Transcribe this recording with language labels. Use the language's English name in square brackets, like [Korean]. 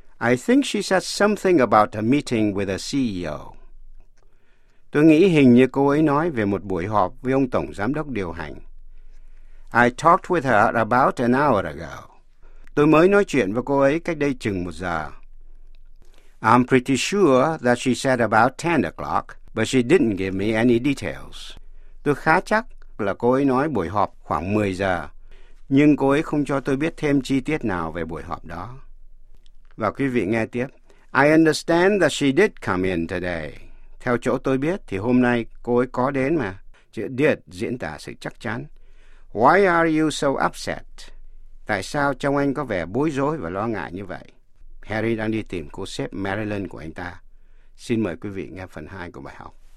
[English] I think she said something about a meeting with a CEO. [Vietnamese] Tôi nghĩ hình như cô ấy nói về một buổi họp với ông tổng giám đốc điều hành. [English] I talked with her about an hour ago. [Vietnamese] Tôi mới nói chuyện với cô ấy cách đây chừng một giờ. [English] I'm pretty sure that she said about 10 o'clock, but she didn't give me any details. [Vietnamese] Tôi khá chắc là cô ấy nói buổi họp khoảng 10 giờ, nhưng cô ấy không cho tôi biết thêm chi tiết nào về buổi họp đó. Và quý vị nghe tiếp. [English] I understand that she did come in today. [Vietnamese] Theo chỗ tôi biết thì hôm nay cô ấy có đến mà. Chữ did diễn tả sự chắc chắn. [English] Why are you so upset? [Vietnamese] Tại sao trông anh có vẻ bối rối và lo ngại như vậy? Harry đang đi tìm cô sếp Marilyn của anh ta. Xin mời quý vị nghe phần 2 của bài học.